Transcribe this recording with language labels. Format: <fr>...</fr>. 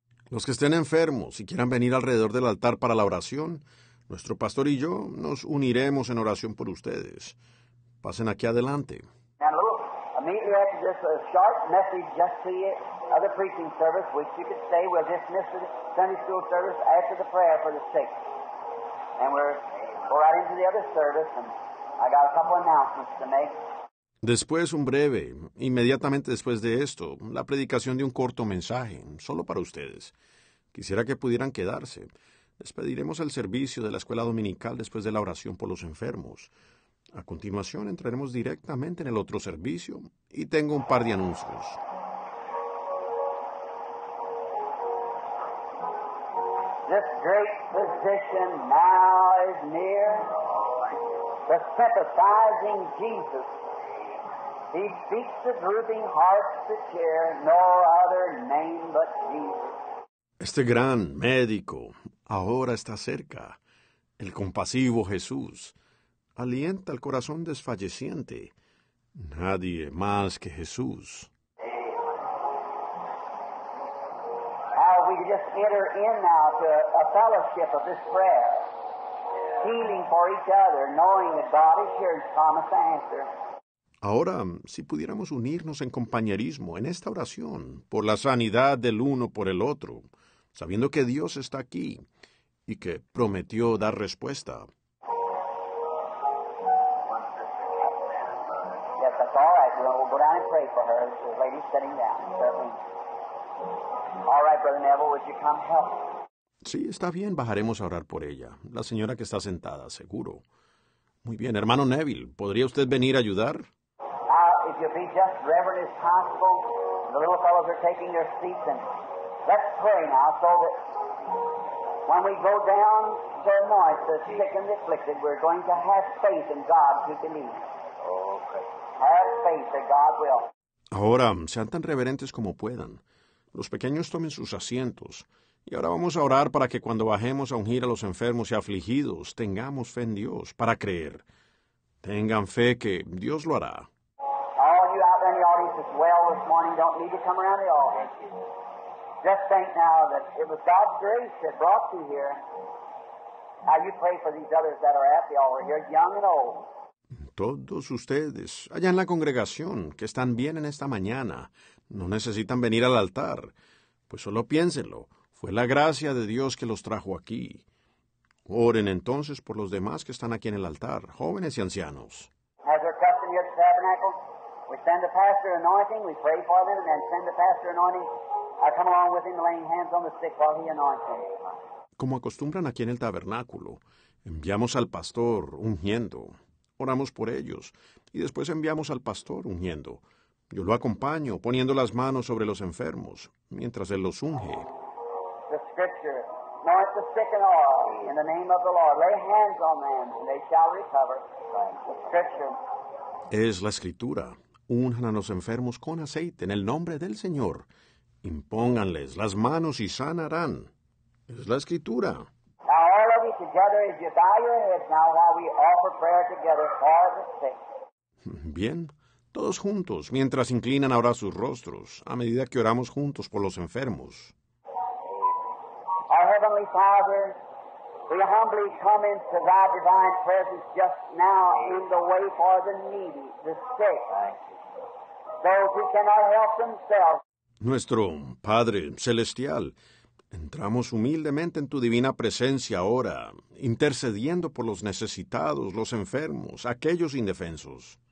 <es>Los que estén enfermos y quieran venir alrededor del altar para la oración, nuestro pastor y yo nos uniremos en oración por ustedes. Pasen aquí adelante.</es> <en>Immediately after this, a sharp message just to the other preaching service, which you could say we'll dismiss the Sunday school service after the prayer for the sick. And we're go right into the other service, and I got a couple announcements to make.</en> <es>Después, un breve, inmediatamente después de esto, la predicación de un corto mensaje, solo para ustedes. Quisiera que pudieran quedarse. Despediremos el servicio de la escuela dominical después de la oración por los enfermos. A continuación, entraremos directamente en el otro servicio y tengo un par de anuncios.</es> <en>This great physician now is near. The sympathizing Jesus. He speaks the drooping hearts to cheer, no other name but Jesus.</en> <es>Este gran médico ahora está cerca. El compasivo Jesús alienta el corazón desfalleciente. Nadie más que Jesús.</es> <en>Now we just enter in now to a fellowship of this prayer. Healing for each other, knowing that God is here to promise answer.</en> <es>Ahora, si pudiéramos unirnos en compañerismo en esta oración por la sanidad del uno por el otro, sabiendo que Dios está aquí y que prometió dar respuesta.</es> <en>Yes, that's all right. We'll go down and pray for her. The lady's sitting down. All right, Brother Neville, would you come help?</en> <es>Sí, está bien. Bajaremos a orar por ella. La señora que está sentada, seguro. Muy bien. Hermano Neville, ¿podría usted venir a ayudar?</es> <en>If you'll be just reverent as possible, the little fellows are taking their seats, and let's pray now so that when we go down to anoint the sick and the afflicted, we're going to have faith in God to believe. Okay. Have faith that God will.</en> <es>Ahora, sean tan reverentes como puedan. Los pequeños tomen sus asientos. Y ahora vamos a orar para que cuando bajemos a ungir a los enfermos y afligidos, tengamos fe en Dios para creer. Tengan fe que Dios lo hará.</es> <en>All of you out there in the audience as well this morning don't need to come around the altar. Just think now that it was God's grace that brought you here. Now you pray for these others that are at the altar here, young and old.</en> <es>Todos ustedes, allá en la congregación, que están bien en esta mañana, no necesitan venir al altar. Pues solo piénsenlo. Fue la gracia de Dios que los trajo aquí. Oren entonces por los demás que están aquí en el altar, jóvenes y ancianos.</es> <en>As our custom here at the tabernacle, we send the pastor anointing, we pray for them, and then send the pastor anointing. I come along with him laying hands on the sick while he anoints them.</en> <es>Como acostumbran aquí en el tabernáculo, enviamos al pastor ungiendo. Oramos por ellos, y después enviamos al pastor ungiendo. Yo lo acompaño poniendo las manos sobre los enfermos, mientras él los unge.</es> <en>The scripture, anoint the sick and all, in the name of the Lord, lay hands on them, and they shall recover. The scripture.</en> <es>Es la escritura. Unjan a los enfermos con aceite en el nombre del Señor. Impónganles las manos y sanarán. Es la escritura.</es> <en>Now all of you together, as you bow your heads now, while we offer prayer together for the sick.</en> <es>Bien. Todos juntos, mientras inclinan ahora sus rostros, a medida que oramos juntos por los enfermos. Our Heavenly Father, we humbly come into thy divine presence just now in the way for the needy, the sick, those who cannot help themselves. Nuestro Padre Celestial, entramos humildemente en tu divina presencia ahora, intercediendo por los necesitados, los enfermos, aquellos indefensos.</es>